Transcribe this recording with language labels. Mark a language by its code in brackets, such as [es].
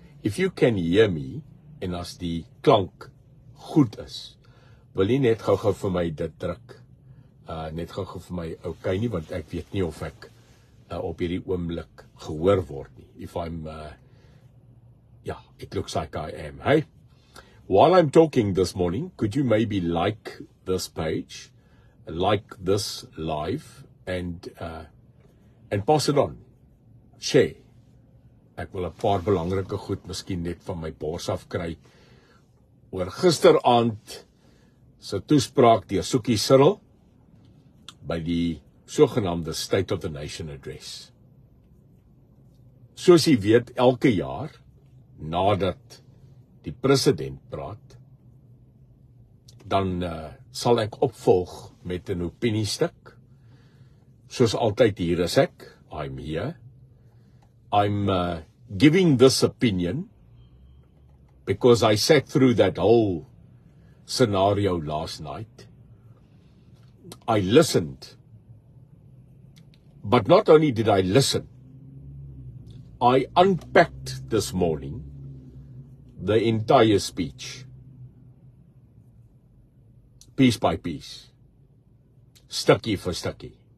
[en] If you can hear me [af] en as die klank goed is, wil jy net gou-gou vir my dit druk. Net gou-gou vir my okay nie, want ek weet nie of ek op hierdie oomblik gehoor word nie. [en] If I'm it looks like I am. Hey. While I'm talking this morning, could you maybe like this page, like this live and pass it on. Share. [af] Ek wil 'n paar belangrike goed miskien net van my bors af kry oor gisteraand se toespraak deur Sukie Cyril by die sogenaamde State of the Nation Address. Soos jy weet, elke jaar nadat die president praat, dan sal ek opvolg met 'n opiniestuk. Soos altyd hier is ek, [en] I'm here. I'm giving this opinion because I sat through that whole scenario last night. I listened. But not only did I listen, I unpacked this morning the entire speech, piece by piece, [af] stukkie vir stukkie.